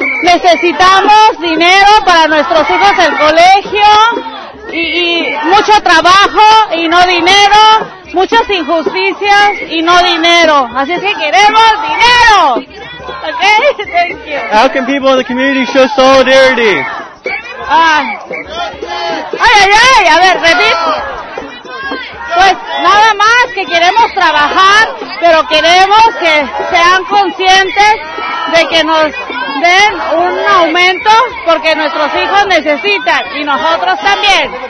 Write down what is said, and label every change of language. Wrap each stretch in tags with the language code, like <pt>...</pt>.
<es>Necesitamos dinero para nuestros hijos en colegio y mucho trabajo y no dinero, muchas injusticias y no dinero. Así es que queremos dinero.</es> <en>Okay, thank you. How can people in the community show solidarity?</en> <es>Ay, a ver, repite. Pues nada más que queremos trabajar, pero queremos que sean conscientes de que nos den un aumento porque nuestros hijos necesitan y nosotros también.</es>